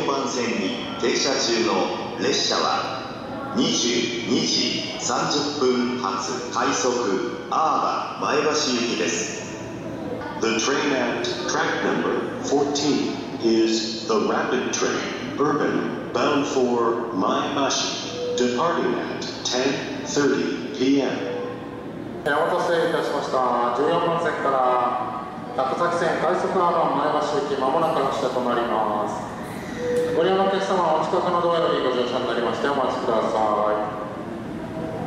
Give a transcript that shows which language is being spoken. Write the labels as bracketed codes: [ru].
[ja] 列車は22時30分発快速アーバ前橋行きです。 [en] The train at track number 14 is the rapid train Bourbon bound for Maebashi, departing at 10:30 p.m. [ja] お待たせいたしました。14番線から高崎線快速アーバ前橋行き、まもなく発車となります。ご利用のお客様はお近くのドアよりご乗車になりましてお待ちください。